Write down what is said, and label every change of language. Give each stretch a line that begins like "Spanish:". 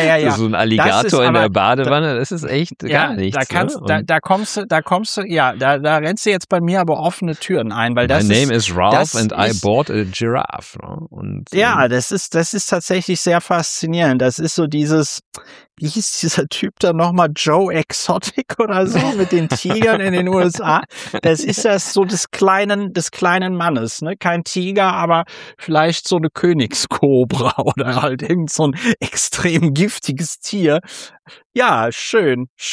German: So ein Alligator in der Badewanne, das ist echt gar nichts. Da rennst du jetzt bei mir aber offene Türen ein, weil das ist.
English: My name is Ralph and I bought a giraffe.
German: Das ist tatsächlich sehr faszinierend. Das ist so dieses, wie hieß dieser Typ da nochmal, Joe Exotic oder so, mit den Tigern in den USA. Das ist das so des kleinen Mannes, ne? Kein Tiger, aber vielleicht so eine Königskobra oder halt irgend so ein extrem giftiges Tier. Ja, schön.